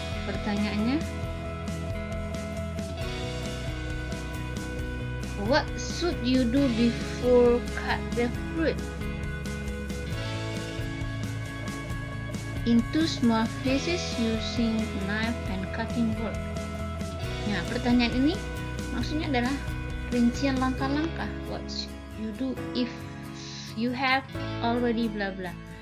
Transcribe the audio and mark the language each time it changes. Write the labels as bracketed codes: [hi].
[id] Pertanyaannya, [en] what should you do before cut the fruit into small pieces using knife and cutting board? [id] Pertanyaan ini maksudnya adalah rincian langkah-langkah. [en] What you do if you have already blah blah.